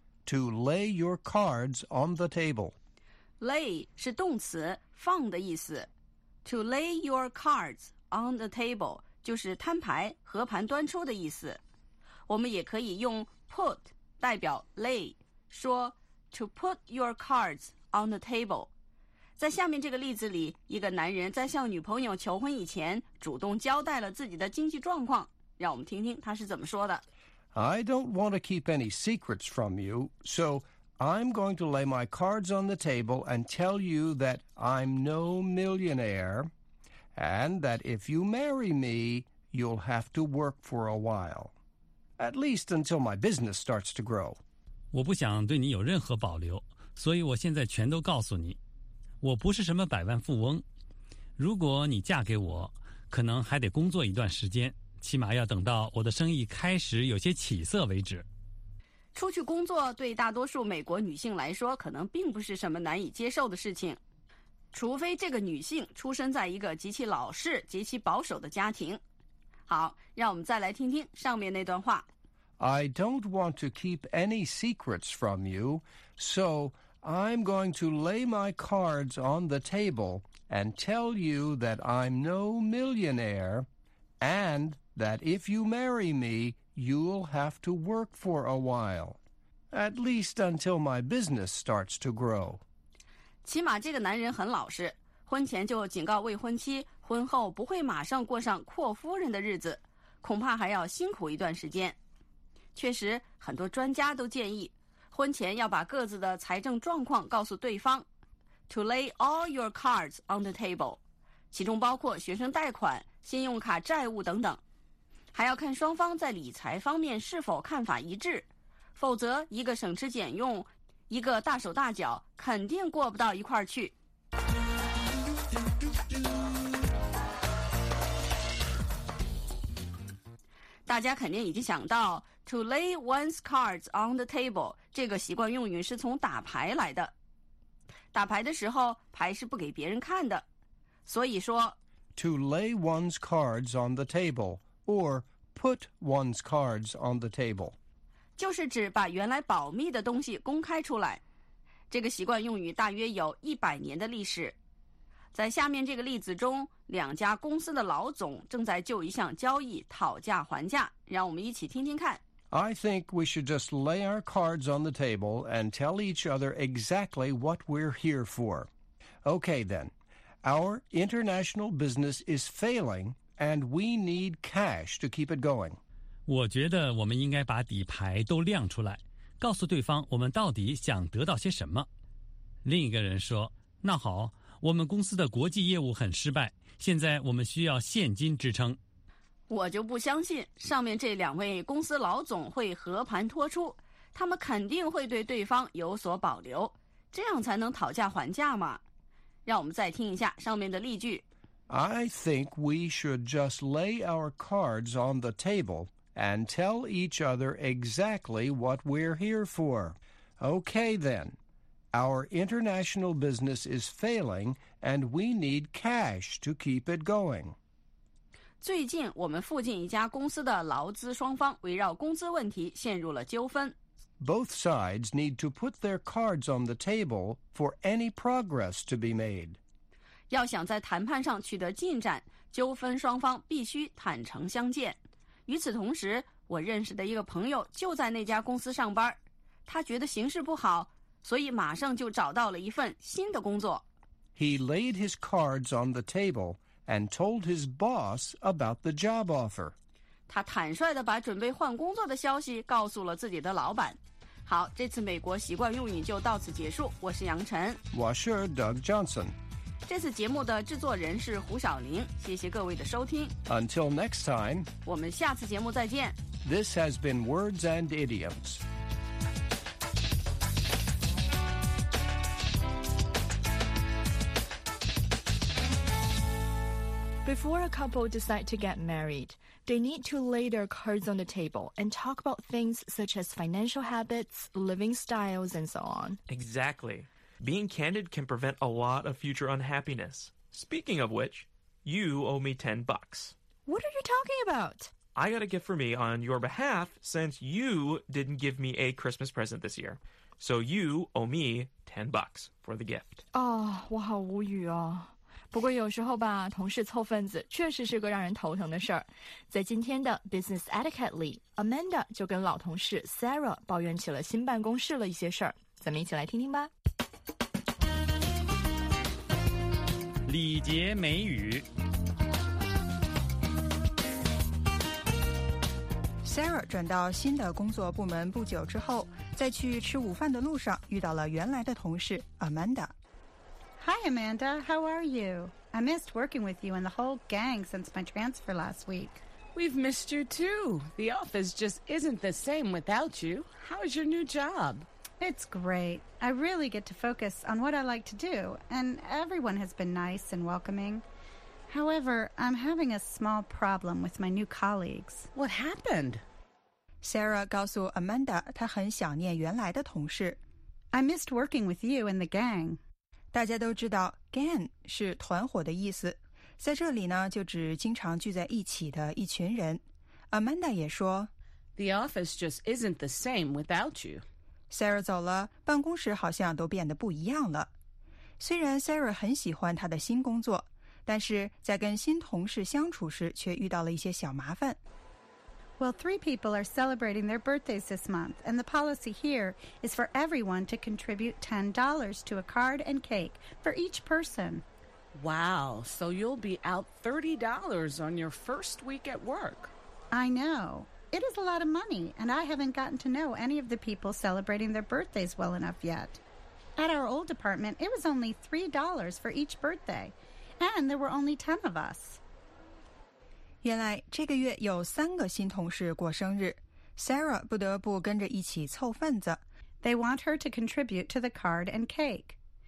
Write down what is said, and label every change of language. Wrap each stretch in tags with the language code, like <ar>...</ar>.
<en>To lay your cards on the table.</en> <zh>Lay 是动词放的意思。</zh> <en>To lay your cards on the table</en> <zh>就是摊牌和盘端出的意思。我们也可以用 put 代表 lay, 说</zh> <en>to put your cards on the table.</en> <zh>在下面这个例子里，一个男人在向女朋友求婚以前主动交代了自己的经济状况，让我们听听他是怎么说的。</zh> <en>I don't want to keep any secrets from you, so I'm going to lay my cards on the table and tell you that I'm no millionaire and that if you marry me, you'll have to work for a while, at least until my business starts to grow.</en> <zh>我不想对你有任何保留，所以我现在全都告诉你，我不是什么百万富翁，如果你嫁给我，可能还得工作一段时间，起码要等到我的生意开始有些起色为止。出去工作对大多数美国女性来说可能并不是什么难以接受的事情，除非这个女性出生在一个极其老式极其保守的家庭。好，让我们再来听听上面那段话。</zh> <en>I don't want to keep any secrets from you, soI'm going to lay my cards on the table and tell you that I'm no millionaire and that if you marry me, you'll have to work for a while, at least until my business starts to grow.</en> <zh>起码这个男人很老实，婚前就警告未婚妻，婚后不会马上过上阔夫人的日子，恐怕还要辛苦一段时间。确实，很多专家都建议婚前要把各自的财政状况告诉对方</zh> <en>To lay all your cards on the table,</en> <zh>其中包括学生贷款、信用卡债务等等，还要看双方在理财方面是否看法一致，否则一个省吃俭用，一个大手大脚，肯定过不到一块儿去。大家肯定已经想到</zh> <en>To lay one's cards on the table</en> <zh>这个习惯用语是从打牌来的。打牌的时候牌是不给别人看的，所以说</zh> <en>To lay one's cards on the table or put one's cards on the table</en> <zh>就是指把原来保密的东西公开出来。这个习惯用语大约有100年的历史。在下面这个例子中，两家公司的老总正在就一项交易讨价还价，让我们一起听听看。</zh> <en>I think we should just lay our cards on the table and tell each other exactly what we're here for. Okay then, our international business is failing and we need cash to keep it going.</en> <zh>我觉得我们应该把底牌都亮出来，告诉对方我们到底想得到些什么。另一个人说，那好，我们公司的国际业务很失败，现在我们需要现金支撑。我就不相信上面这两位公司老总会和盘托出，他们肯定会对对方有所保留，这样才能讨价还价嘛。让我们再听一下上面的例句。</zh> <en>I think we should just lay our cards on the table and tell each other exactly what we're here for. Okay, then. Our international business is failing and we need cash to keep it going.</en> <zh>最近我们附近一家公司的劳资双方围绕工资问题陷入了纠纷。</zh> <en>Both sides need to put their cards on the table for any progress to be made.</en> <zh>要想在谈判上取得进展，纠纷双方必须坦诚相见。与此同时，我认识的一个朋友就在那家公司上班，他觉得形势不好，所以马上就找到了一份新的工作。</zh> <en>He laid his cards on the table and told his boss about the job offer.</en> <zh>他坦率地把准备换工作的消息告诉了自己的老板。好，这次美国习惯用语就到此结束。我是杨晨，我是 Doug Johnson。这次节目的制作人是胡晓玲，谢谢各位的收听。</zh> <en>Until next time，</en> <zh>我们下次节目再见。</zh> <en>This has been Words and Idioms。 Before a couple decide to get married, they need to lay their cards on the table and talk about things such as financial habits, living styles, and so on. Exactly. Being candid can prevent a lot of future unhappiness. Speaking of which, you owe me $10. What are you talking about? I got a gift for me on your behalf since you didn't give me a Christmas present this year. So you owe me $10 for the gift.</en> <zh>Oh, 我好无语啊。不过有时候吧，同事凑份子确实是个让人头疼的事儿。在今天的 Business Etiquette 里， Amanda 就跟老同事 Sarah 抱怨起了新办公室的一些事儿。咱们一起来听听吧。礼节美语。 Sarah 转到新的工作部门不久之后，在去吃午饭的路上遇到了原来的同事 Amanda</zh> <en>Hi, Amanda. How are you? I missed working with you and the whole gang since my transfer last week. We've missed you, too. The office just isn't the same without you. How's your new job? It's great. I really get to focus on what I like to do, and everyone has been nice and welcoming. However, I'm having a small problem with my new colleagues. What happened?</en> <zh>Sarah 告诉 Amanda 她很想念原来的同事。</zh> <en>I missed working with you and the gang.</en> <zh>大家都知道 gang 是团伙的意思，在这里呢就指经常聚在一起的一群人。 Amanda 也说</zh> <en>The office just isn't the same without you.</en> <zh>Sarah 走了，办公室好像都变得不一样了。虽然 Sarah 很喜欢她的新工作，但是在跟新同事相处时却遇到了一些小麻烦。</zh> <en>Well, three people are celebrating their birthdays this month, and the policy here is for everyone to contribute $10 to a card and cake for each person. Wow, so you'll be out $30 on your first week at work. I know. It is a lot of money, and I haven't gotten to know any of the people celebrating their birthdays well enough yet. At our old department, it was only $3 for each birthday, and there were only 10 of us.</en> <zh>原来这个月有三个新同事过生日， Sarah 不得不跟着一起凑份子。</zh> <en>They want her to contribute to the card and cake.</en>